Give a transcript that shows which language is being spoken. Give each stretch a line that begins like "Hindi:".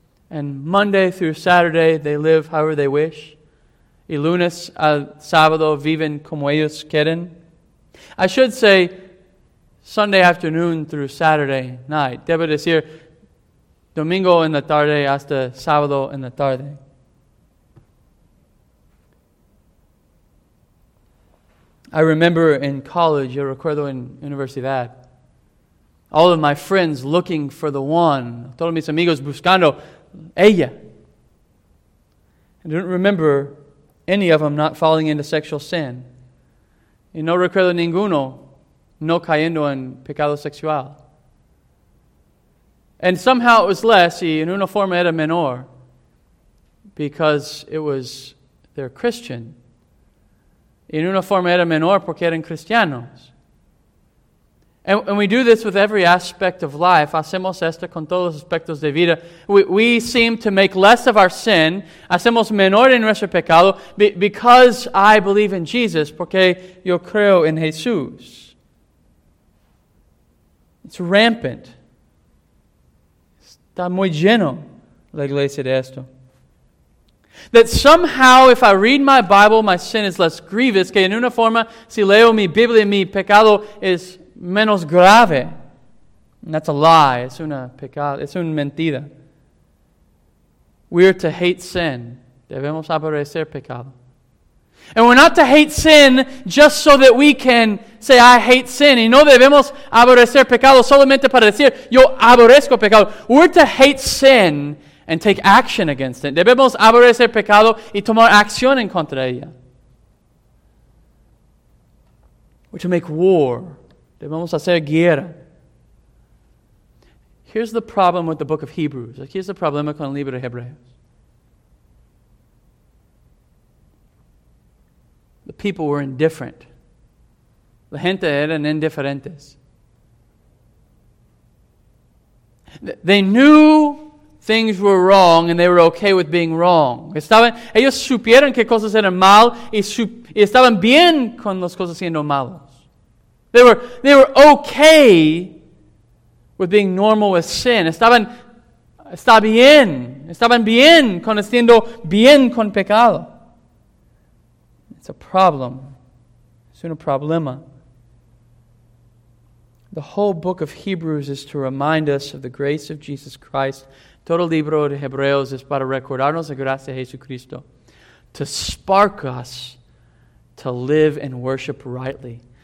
English: And Monday through Saturday, they live however they wish.
Spanish: Y lunes al sábado, viven como ellos quieren.
English: I should say Sunday afternoon through Saturday night.
Spanish: Debo decir domingo en la tarde hasta sábado en la tarde.
English: I remember in college,
Spanish: yo recuerdo en universidad,
English: all of my friends looking for the one,
Spanish: todos mis amigos buscando ella.
English: I don't remember any of them not falling into sexual sin.
Spanish: Y no recuerdo ninguno no cayendo en pecado sexual.
English: And somehow it was less,
Spanish: y en una forma era menor,
English: because it was, they're Christian.
Spanish: Y en una forma era menor porque eran cristianos.
English: And we do this with every aspect of life.
Spanish: Hacemos esto con todos los aspectos de vida.
English: We seem to make less of our sin.
Spanish: Hacemos menor en nuestro pecado
English: because I believe in Jesus,
Spanish: porque yo creo en Jesús.
English: It's rampant.
Spanish: Está muy lleno la iglesia de esto.
English: That somehow, if I read my Bible, my sin is less grievous.
Spanish: Que en una forma, si leo mi Biblia, mi pecado es menos grave.
English: And that's a lie.
Spanish: Es una pecado. Es una mentira.
English: We are to hate sin.
Spanish: Debemos aborrecer pecado.
English: And we're not to hate sin just so that we can say, I hate sin.
Spanish: Y no debemos aborrecer pecado solamente para decir, yo aborrezco pecado.
English: We're to hate sin and take action against it.
Spanish: Debemos aborrecer pecado y tomar acción en contra de ella.
English: We're to make war.
Spanish: Debemos hacer guerra.
English: Here's the problem with the book of Hebrews. Here's the problem
Spanish: con el libro de Hebreos. The people were indifferent. La gente eran indiferentes.
English: They knew things were wrong and they were okay with being wrong.
Spanish: Estaban, ellos supieron que cosas eran mal y estaban bien con las cosas siendo malas.
English: They were okay with being normal with sin.
Spanish: Estaban bien con siendo bien con pecado.
English: It's a problem.
Spanish: It's un problema.
English: The whole book of Hebrews is to remind us of the grace of Jesus Christ.
Spanish: Todo el libro de Hebreos es para recordarnos la gracia de Jesucristo.
English: To spark us to live and worship rightly.